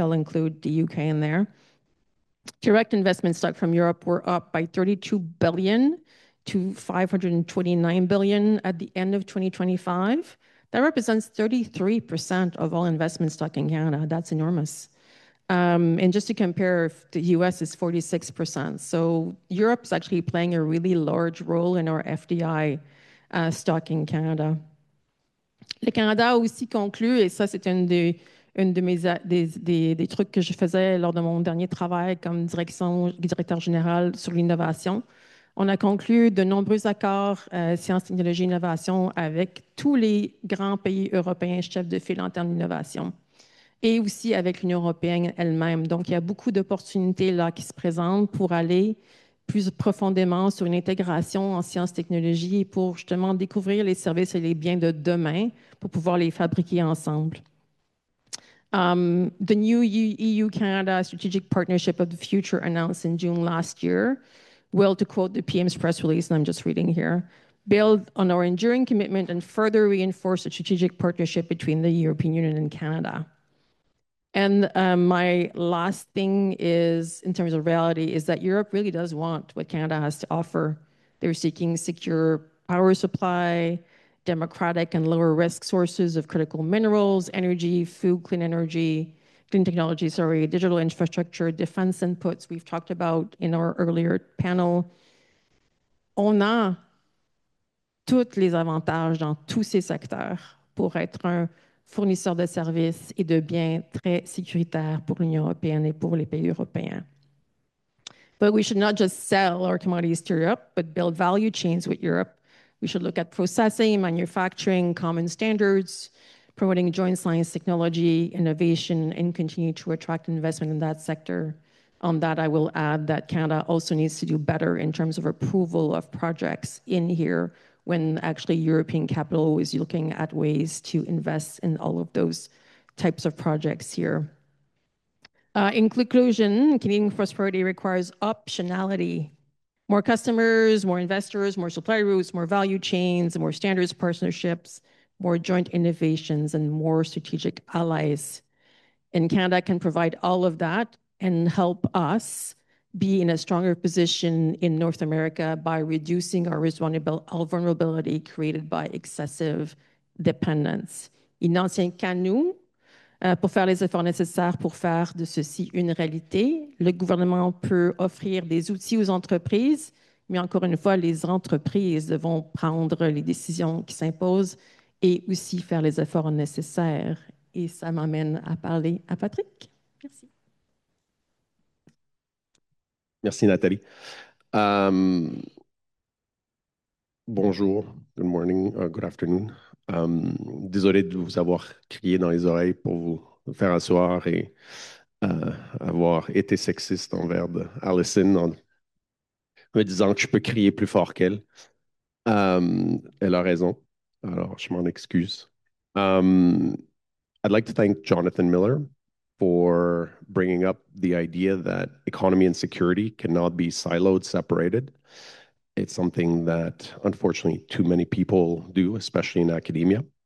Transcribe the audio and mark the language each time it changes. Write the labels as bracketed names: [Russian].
[English] I'll include the UK in there. Direct investment stock from Europe were up by $32 billion to $529 billion at the end of 2025. That represents 33% of all investment stock in Canada. That's enormous. And just to compare, the US is 46%. So Europe's actually playing a really large role in our FDI Stalking Canada. [French] Le Canada a aussi conclu, et ça, c'est une des trucs que je faisais lors de mon dernier travail comme directeur général sur l'innovation. On a conclu de nombreux accords sciences, technologies, innovation avec tous les grands pays européens chefs de file en termes d'innovation et aussi avec l'Union européenne elle-même. Donc, il y a beaucoup d'opportunités là qui se présentent pour aller plus profondément sur une intégration en sciences, technologies et pour justement découvrir les services et les biens de demain pour pouvoir les fabriquer ensemble. [English] The new EU-Canada Strategic Partnership of the Future announced in June last year will, to quote the PM's press release, and I'm just reading here, build on our enduring commitment and further reinforce the strategic partnership between the European Union and Canada. And my last thing is, in terms of reality, is that Europe really does want what Canada has to offer. They're seeking secure power supply, democratic and lower risk sources of critical minerals, energy, food, clean energy, clean technology, sorry, digital infrastructure, defense inputs we've talked about in our earlier panel. [French] On a tous les avantages dans tous ces secteurs pour être un fournisseur de services et de biens très sécuritaire pour l'Union européenne et pour les pays européens. [English] But we should not just sell our commodities to Europe, but build value chains with Europe. We should look at processing, manufacturing, common standards, promoting joint science, technology, innovation, and continue to attract investment in that sector. On that, I will add that Canada also needs to do better in terms of approval of projects in here when actually European capital is looking at ways to invest in all of those types of projects here. In conclusion, Canadian prosperity requires optionality. More customers, more investors, more supply routes, more value chains, more standards partnerships, more joint innovations, and more strategic allies. And Canada can provide all of that and help us be in a stronger position in North America by reducing our vulnerability created by excessive dependence. [French] Il n'en tient qu'à nous pour faire les efforts nécessaires pour faire de ceci une réalité. Le gouvernement peut offrir des outils aux entreprises, mais encore une fois, les entreprises devront prendre les décisions qui s'imposent et aussi faire les efforts nécessaires. Et ça m'amène à parler à Patrick. Merci. Merci, Nathalie. Bonjour, [English] good morning, good afternoon. [French] Désolé de vous avoir crié dans les oreilles pour vous faire asseoir et avoir été sexiste envers Alison en me disant que je peux crier plus fort qu'elle. Elle a raison. Alors, je m'en excuse. [English] I'd like to thank Jonathan Miller for bringing up the idea that economy and security cannot be siloed, separated. It's something that, unfortunately, too many people do, especially in academia.